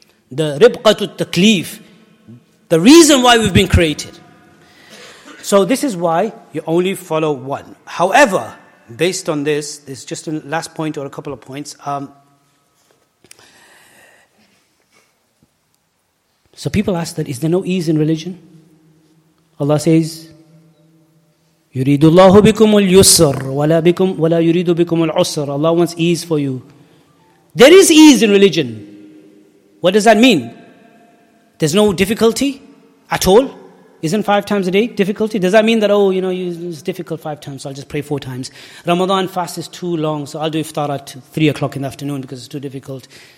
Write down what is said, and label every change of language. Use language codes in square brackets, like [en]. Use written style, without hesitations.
[en] The ribqatu taklif. The reason why we've been created. So this is why you only follow one. However, based on this, there's just a last point or a couple of points. So people ask that, is there no ease in religion? Allah says, [ar] يُرِيدُ اللَّهُ بِكُمُ الْيُسْرَ وَلَا يُرِيدُ بِكُمُ الْعُسْرَ. [en] Allah wants ease for you. There is ease in religion. What does that mean? There's no difficulty at all? Isn't five times a day difficulty? Does that mean that, oh, you know, it's difficult five times, so I'll just pray four times. Ramadan fast is too long, so I'll do iftar at 3 o'clock in the afternoon because it's too difficult.